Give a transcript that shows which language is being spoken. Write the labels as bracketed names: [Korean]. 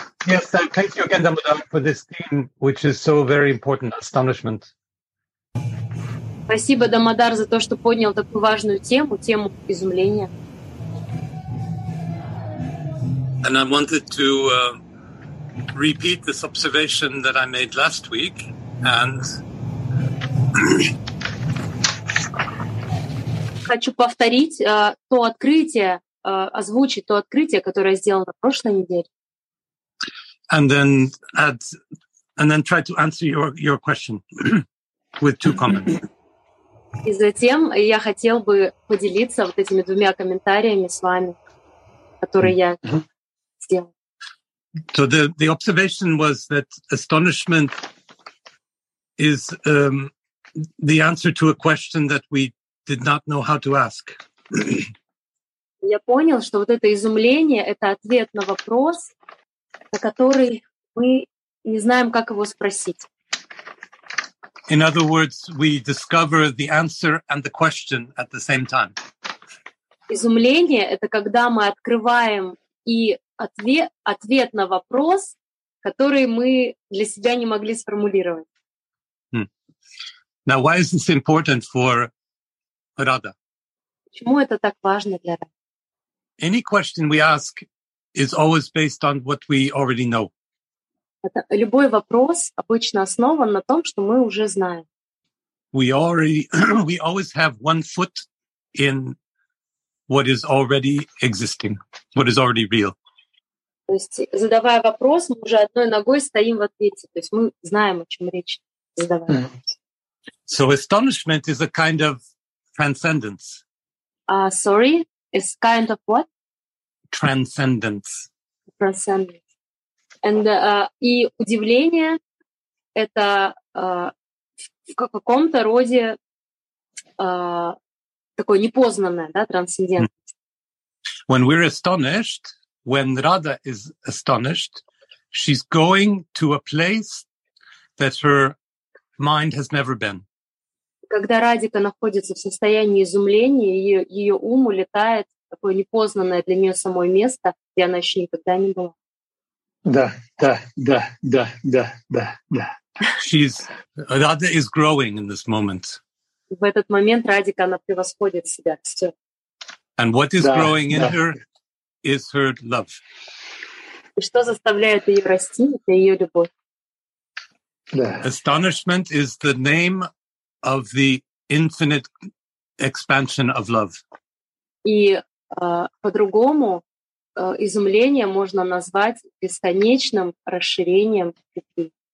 [English] Yes, thank you again, Damodar, for this theme, which is so very important. Astonishment. [Russian] Спасибо, Дамодар, за то, что поднял такую важную тему, тему изумления. [English] And I wanted to repeat this observation that I made last week, and [Russian] хочу повторить то открытие, озвучить то открытие, которое сделано в прошлой неделе. [English] And then try to answer your question with two comments. [Russian] И затем я хотел бы поделиться вот этими двумя комментариями с вами, которые я сделал. [English] So the observation was that astonishment is the answer to a question that we did not know how to ask. [Russian] Я понял, что вот это изумление — это ответ на вопрос, на который мы не знаем, как его спросить. [English] In other words, we discover the answer and the question at the same time. [Russian] Изумление — это когда мы открываем и ответ на вопрос, который мы для себя не могли сформулировать. [English] Now, why is this important for Radha? [Russian] Почему это так важно для Radha? [English] Any question we ask is always based on what we already know. [Russian] Это любой вопрос обычно основан на том, что мы уже знаем. [English] We always have one foot in what is already existing, what is already real. [Russian] То есть, задавая вопрос, мы уже одной ногой стоим в ответе. То есть мы знаем, о чем речь. Задавая. [English] So astonishment is a kind of transcendence. Sorry, it's kind of what? Transcendence. [Russian] And и удивление это в каком-то роде такое непознанное, да, трансцендентность. [English] When we're astonished, when Radha is astonished, she's going to a place that her mind has never been. [Russian] Когда Радика находится в состоянии изумления, ее ум улетает. Такое непознанное для нее самое место, где она еще никогда не была. Да. [English] Radha is growing in this moment. [Russian] В этот момент Радика, она превосходит себя. Все. [English] And what is growing in her is her love. [Russian] И что заставляет ее расти, это ее любовь. Да. [English] Astonishment is the name of the infinite expansion of love. [Russian] И по-другому изумление можно назвать бесконечным расширением любви.